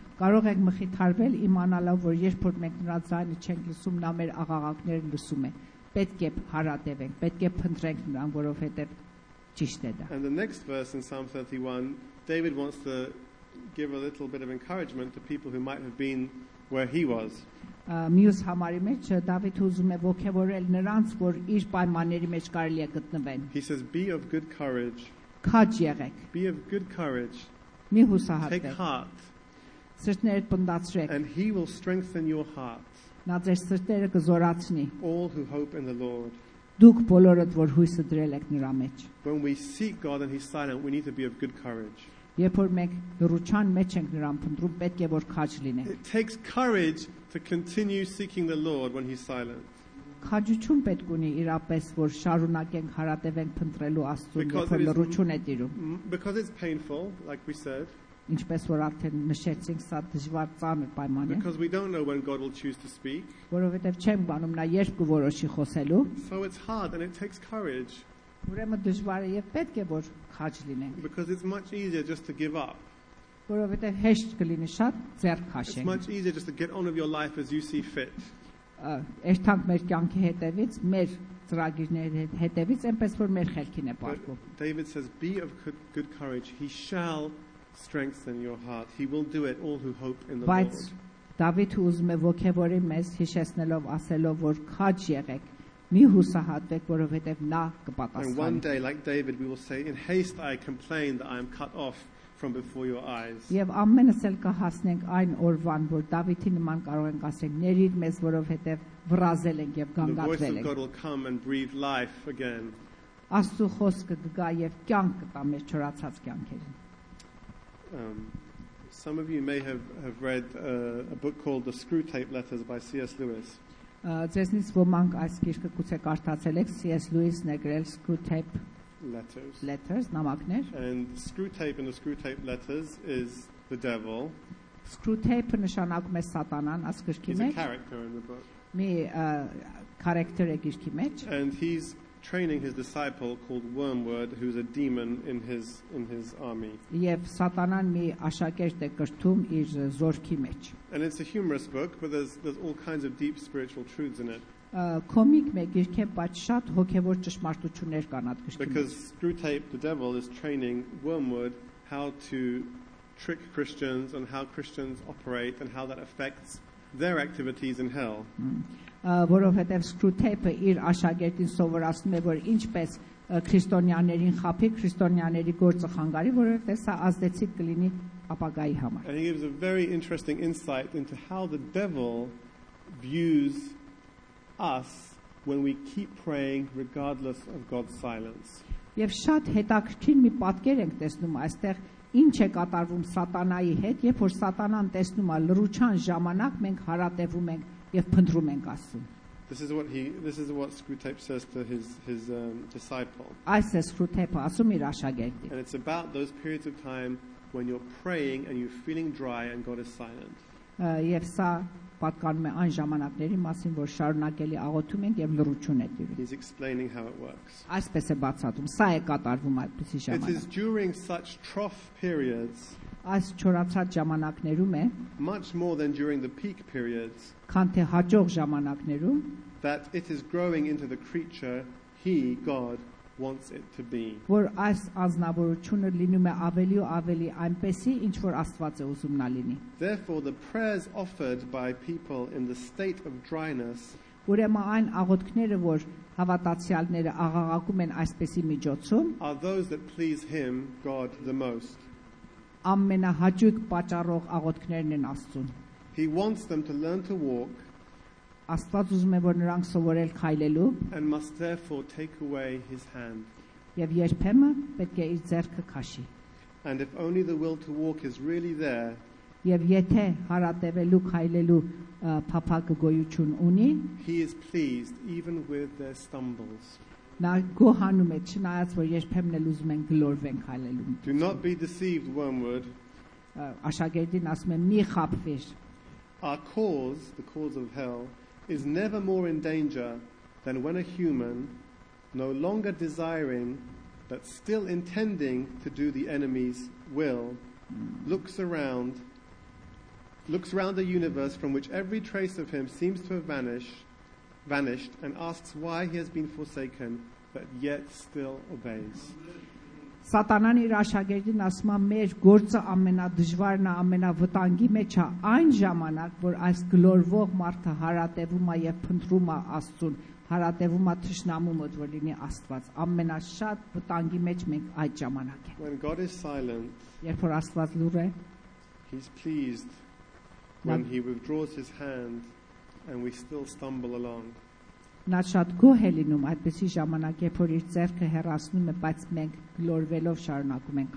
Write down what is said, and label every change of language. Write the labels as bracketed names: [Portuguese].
[Armenian] Կարող ենք մխիթարվել իմանալով, որ երբ որ մենք նրա ձայնը չենք լսում, նա մեր աղաղակներն լսում է։ Պետք է հարատևենք, պետք է փնտրենք նրան, որովհետև ճիշտ է դա։ [English] And the next verse in Psalm 31, David wants to give a little bit of encouragement to people who might have been where he was. [Armenian] Մյուս համարի մեջ Դավիթ ուզում է ոգևորել նրանց, որ իր պայմանների մեջ կարելի է գտնվեն։ [English] He says, be of good courage. [Armenian] Քաջ եղեք։ [English] Be of good courage. [Armenian] Մի հուսահատեք։ [English] Take heart. [Armenian] Սրտներդ պնդացրեք։ [English] And he will strengthen your heart. [Armenian] Նա ձեր սրտերը կզորացնի։ [English] All who hope in the Lord. [Armenian] Դուք բոլորդ, որ հույսը դրել եք նրա մեջ։ [English] When we seek God and he's silent, we need to be of good courage. [Armenian] Երբ որ մենք լրության մեջ ենք նրան փնտրում, պետք է որ քաջ լինենք։ [English] It takes courage to continue seeking the Lord when he's silent. [Armenian] Քաջություն պետք ունի իրապես, որ շարունակենք հարատևենք փնտրելու Աստծուն, եթե լրություն է տիրում։ [English] Because it's painful, like we said. [Armenian] Ինչպես որ արդեն նշեցինք, սա դժվար ծանր պայման է։ [English] Because we don't know when God will choose to speak. [Armenian] Որովհետև չեմ ճանաչում նա երբ կորոշի խոսելու։ [English] So it's hard and it takes courage. [Armenian] Ուրեմն դժվար է եւ պետք է որ քաջ լինենք։ [English] Because it's much easier just to give up. [Armenian] Որովհետև հեշտ կլինի շատ ձեռք քաշենք։ [English] It's much easier just to get on with your life as you see fit. [Armenian] Այստեղ մեր կյանքի հետևից, մեր ծրագրների հետևից, այնպես որ մեր խելքին է պարկում։ [English] David says be of good courage, he shall strengthen your heart. He will do it all who hope in the Lord. [Armenian] Բայց Դավիթ ուզում է ոգևորի մեզ, հիշեցնելով, ասելով, որ քաջ եղեք, մի հուսահատվեք, որովհետև նա կպատասխանի։ [English] And one day like David we will say in haste I complained that I am cut off from before your eyes. [Armenian] Եվ ամենս էլ կհասնենք այն օրվան, որ Դավիթի նման կարող ենք ասել, ներիր մեզ, որովհետև վրազել ենք եւ գանգատվել ենք։ [English] The voice of God will come and breathe life again. [Armenian] Աստծո խոսքը կգա եւ կյանք կտա մեր չորացած կյանքերին։ [English] Some of you may have read a book called The Screwtape Letters by C.S. Lewis. [Armenian] Ձեզնից ոմանք այս գիրքը գուցե կարդացել եք, C.S. Lewis-ն է գրել Screwtape [English] Letters. [Armenian] Letters, նամակներ. [English] And Screwtape and the Screwtape Letters is the devil. [Armenian] Screwtape նշանակում է Սատանան այս գրքի մեջ. [English] He's a character in the book. [Armenian] Մի character է գիրքի մեջ. [English] And he's training his disciple called Wormwood, who's a demon in his army. [Armenian] Եվ Սատանան մի աշակերտ է կրթում իր զորքի մեջ. [English] And it's a humorous book, but there's all kinds of deep spiritual truths in it. [Armenian] Կոմիկ մի գիրք է, բայց շատ հոգևոր ճշմարտություններ կան այդ գրքի մեջ. [English] Because Screwtape the devil is training Wormwood how to trick Christians and how Christians operate and how that affects their activities in hell. [Armenian] Որովհետև Screwtape-ը իր աշակերտին սովորացնում է, որ ինչպես քրիստոնյաներին խափի, քրիստոնյաների գործը խանգարի, որովհետև սա ազդեցիկ կլինի ապագայի համար։ [English] And he gives a very interesting insight into how the devil views us when we keep praying regardless of God's silence. [Armenian] Եվ շատ հետաքրքիր մի պատկեր ենք տեսնում այստեղ, ինչ է կատարվում Սատանայի հետ, երբ որ Սատանան տեսնում է լրության ժամանակ մենք հարատևում ենք եւ փնտրում ենք Աստծուն։ [English] This is what Screwtape says to his disciple. [Armenian] Այս է Screwtape-ը ասում իր աշակերտին. [English] And it's about those periods of time when you're praying and you're feeling dry and God is silent. [Armenian] Եվ սա պատկանում է այն ժամանակների մասին, որ շարունակելի աղոթում ենք եւ լրություն է տիրում։ [English] He's explaining how it works. [Armenian] Այսպես է բացատրում, սա է կատարվում այդպիսի ժամանակ։ [English] It is during such trough periods. [Armenian] Այս չորացած ժամանակներում է։ [English] Much more than during the peak periods. [Armenian] Քան թե հաջող ժամանակներում։ [English] That it is growing into the creature he God wants it to be. [Armenian] Որ այս ազնվորությունը լինում է ավելի ու ավելի այնպեսի, ինչ որ Աստված է ուզում նա լինի։ [English] Therefore the prayers offered by people in the state of dryness. [Armenian] Ուրեմն այն աղոթքները, որ հավատացյալները աղաղակում են այսպիսի միջոցում, [English] are those that please him God the most. [Armenian] Ամենահաճույք պատճառող աղոթքներն են Աստծուն։ [English] He wants them to learn to walk. [Armenian] Աստված ուզում է, որ նրանք սովորեն քայլելու։ [English] And must therefore take away his hand. [Armenian] Եվ երբեմն պետք է իր ձեռքը քաշի։ [English] And if only the will to walk is really there. [Armenian] Եվ եթե հարատևելու քայլելու փափակ գոյություն ունի, [English] he is pleased even with their stumbles. [Armenian] Նա գոհանում է, չնայած որ երբեմն էլ ուզում են գլորվենք քայլելու։ [English] Do not be deceived, Wormwood. [Armenian] Աշակերտին ասում է, մի խափվիր։ [English] Our cause, the cause of hell, is never more in danger than when a human, no longer desiring but still intending to do the enemy's will, looks around the universe from which every trace of him seems to have vanished and asks why he has been forsaken but yet still obeys. [Armenian] Սատանան իր աշակերտին ասում է մեր գործը ամենադժվարն է, ամենավտանգի մեջ է այն ժամանակ, որ այս գլորվող մարդը հարատևում է եւ փնտրում է Աստծուն, հարատևում է թշնամումը, որ լինի Աստված։ Ամենաշատ վտանգի մեջ մենք այդ ժամանակ ենք։ [English] When God is silent, [Armenian] երբ որ Աստված լուր է, [English] He's pleased when He withdraws His hand and we still stumble along. [Armenian] Նա շատ գոհ է լինում այդպիսի ժամանակ, երբ որ իր ձեռքը հեռացնում է, բայց մենք գլորվելով շարունակում ենք